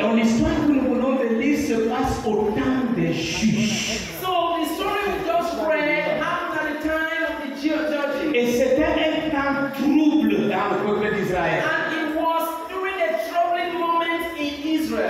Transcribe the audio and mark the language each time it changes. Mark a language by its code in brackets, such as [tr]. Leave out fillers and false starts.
[fr] Dans l'histoire que nous venons de lire se passe au temps des juges. [en] So the story we just read after the time of the judges. [fr] Et c'était un temps trouble dans le peuple d'Israël. [en] And it was during a troubling moment in Israel.